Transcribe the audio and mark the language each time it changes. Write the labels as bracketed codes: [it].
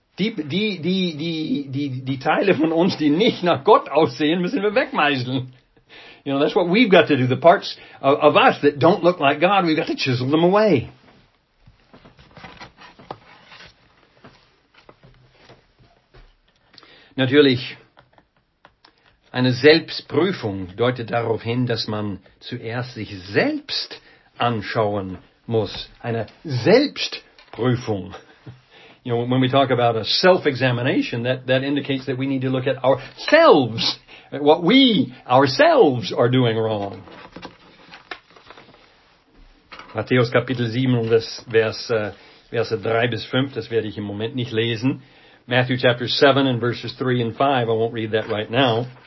[de] die Teile von uns, die nicht nach Gott aussehen, müssen wir wegmeißeln. [en] You know, that's what we've got to do. The parts of us that don't look like God, we've got to chisel them away. [de] Natürlich, eine Selbstprüfung deutet darauf hin, dass man zuerst sich selbst anschauen muss. Eine Selbstprüfung. [en] You know, when we talk about a self-examination, that indicates that we need to look at ourselves, at what we ourselves are doing wrong. [de] Matthäus Kapitel 7, Verse 3 bis 5, das werde ich im Moment nicht lesen. [en] Matthew chapter 7 and verses 3 and 5, I won't read that right now.